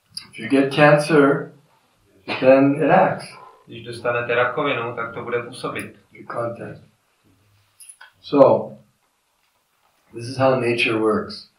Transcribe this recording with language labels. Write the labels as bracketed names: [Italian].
[English] If you get cancer, then it acts. [Czech] Když dostanete rakovinu, tak to bude působit. [English] Content. So, this is how nature works.